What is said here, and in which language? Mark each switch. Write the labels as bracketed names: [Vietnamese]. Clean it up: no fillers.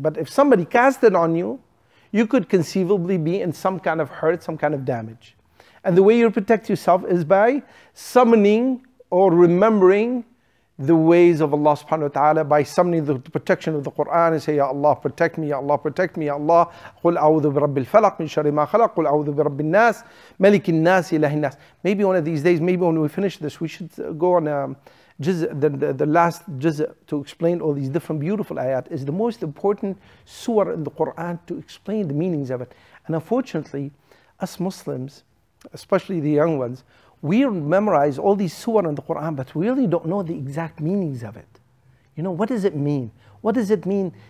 [English] But if somebody cast it on you, you could conceivably be in some kind of hurt, some kind of damage. And the way you protect yourself is by summoning or remembering the ways of Allah subhanahu wa ta'ala, by summoning the protection of the Quran and say, Ya Allah, protect me, Ya Allah, protect me, Ya Allah. [Arabic] قُلْ أَعُوذُ بِرَبِّ الْفَلَقِ مِنْ شَرِّ مَا خَلَقَ قُلْ أَعُوذُ بِرَبِّ النَّاسِ مَلِكِ النَّاسِ إِلَهِ النَّاسِ. [English] Maybe one of these days, maybe when we finish this, we should go on a juz, the last juz to explain all these different beautiful ayat is the most important surah in the Quran to explain the meanings of it. And unfortunately, us Muslims, especially the young ones, we memorize all these surah in the Quran, but we really don't know the exact meanings of it. You know, what does it mean? What does it mean?